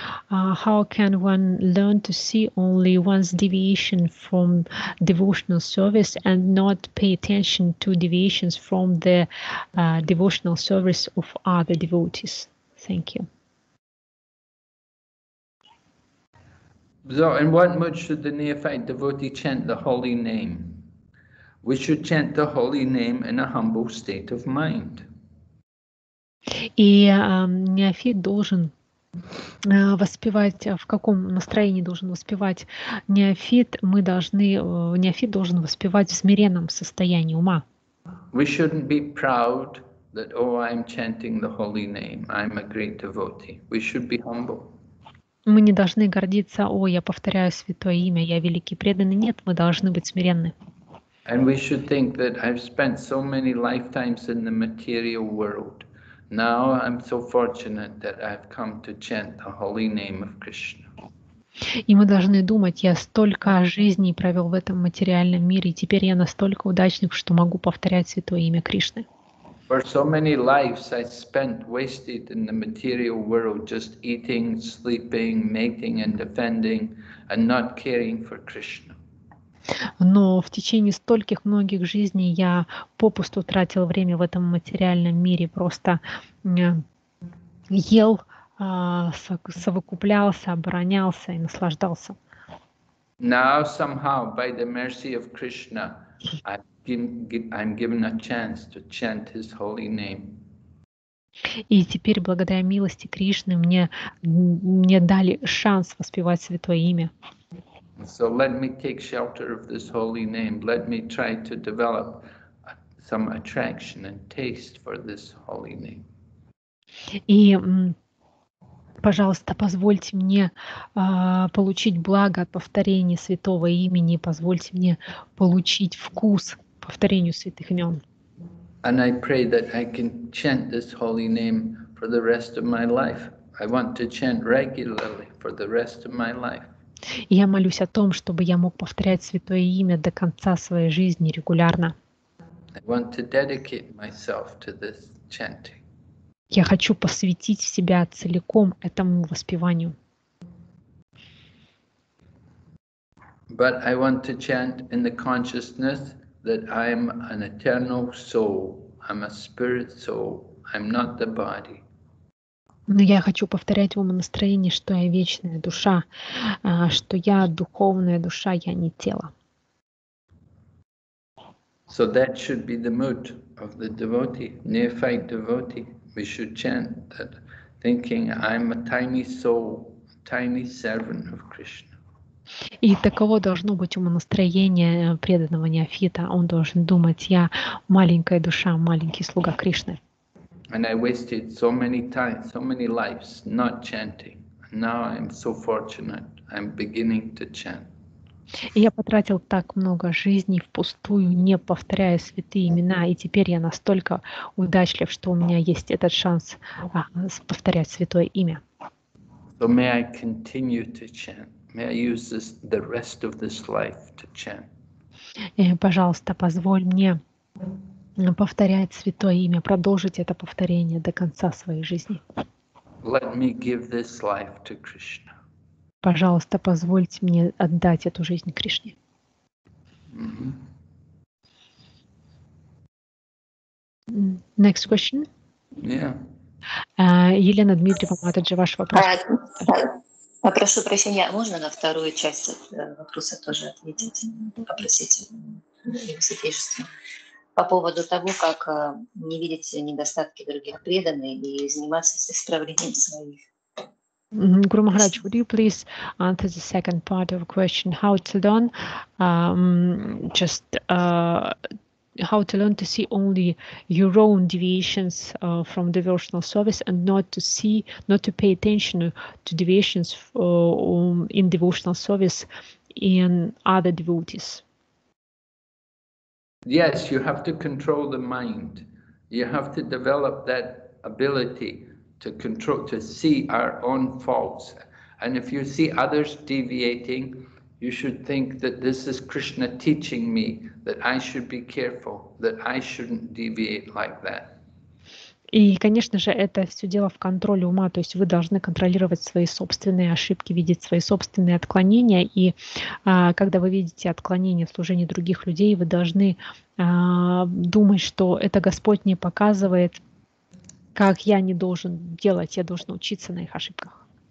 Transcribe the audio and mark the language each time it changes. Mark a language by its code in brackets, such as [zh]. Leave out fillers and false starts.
[en] How can one learn to see only one's deviation from devotional service and not pay attention to deviations from the devotional service of other devotees? Thank you. So in what mood should the neophyte devotee chant the holy name? We should chant the holy name in a humble state of mind. [ru] И неофит должен воспевать, в каком настроении должен воспевать неофит, неофит должен воспевать в смиренном состоянии ума. [en] We shouldn't be proud that, oh, I'm chanting the holy name, I'm a great devotee. We should be humble. [ru] Мы не должны гордиться, о, я повторяю святое имя, я великий преданный. Нет, мы должны быть смиренны. [en] And we should think that I've spent so many lifetimes in the material world. Now I'm so fortunate that I've come to chant the holy name of Krishna. [ru] И мы должны думать, я столько жизней провел в этом материальном мире, и теперь я настолько удачлив, что могу повторять святое имя Кришны. [en] For so many lives I spent wasted in the material world, just eating, sleeping, mating and defending, and not caring for Krishna. [ru] Но в течение стольких многих жизней я попусту тратил время в этом материальном мире, просто ел, совокуплялся, оборонялся и наслаждался. [en] Now somehow by the mercy of Krishna, I'm given a chance to chant His holy name. [ru] И теперь благодаря милости Кришны мне дали шанс воспевать Святое имя. [en] So let me take shelter of this holy name. Let me try to develop some attraction and taste for this holy name. [ru] И, пожалуйста, позвольте мне получить благо от повторения Святого имени. Позвольте мне получить вкус повторению святых имен. [en] And I pray that I can chant this holy name for the rest of my life. I want to chant regularly for the rest of my life. [ru] Я молюсь о том, чтобы я мог повторять Святое имя до конца своей жизни регулярно. [en] I want to dedicate myself to this chanting. [ru] Я хочу посвятить себя целиком этому воспеванию. [en] But I want to chant in the consciousness that I'm an eternal soul, I'm a spirit soul, I'm not the body. [ru] Но я хочу повторять в умонастроении, что я вечная душа, что я духовная душа, я не тело. [en] So that should be the mood of the devotee, neophyte devotee. We should chant that, thinking I'm a tiny soul, tiny servant of Krishna. [ru] И таково должно быть умонастроение преданного неофита. Он должен думать: я маленькая душа, маленький слуга Кришны. [en] And I wasted so many times, so many lives not chanting. Now I'm so fortunate. I'm beginning to chant. [ru] И я потратил так много жизней впустую, не повторяя святые имена, и теперь я настолько удачлив, что у меня есть этот шанс повторять святое имя. [en] So may I continue to chant. May I use this, the rest of this life to chant. [ru] И, пожалуйста, позволь мне повторять Святое Имя, продолжить это повторение до конца своей жизни. [en] Let me give this life to Krishna. [ru] Пожалуйста, позвольте мне отдать эту жизнь Кришне. Mm-hmm. [en] Next question. Yeah. [ru] Елена Дмитриева, Матаджи, ваш вопрос. Попрошу прощения, можно на вторую часть вопроса тоже ответить, попросить его святейшество? По поводу того, как не видеть недостатки других преданных и заниматься исправлением своих. [en] Guru Maharaj, would you please answer the second part of the question, how to learn, how to learn to see only your own deviations from devotional service and not to pay attention to deviations in devotional service in other devotees? Yes, you have to control the mind. You have to develop that ability to control, to see our own faults. And if you see others deviating, you should think that this is Krishna teaching me that I should be careful, that I shouldn't deviate like that. [ru] И, конечно же, это все дело в контроле ума. То есть вы должны контролировать свои собственные ошибки, видеть свои собственные отклонения. И когда вы видите отклонения в служении других людей, вы должны думать, что это Господь мне показывает, как я не должен делать, я должен учиться на их ошибках.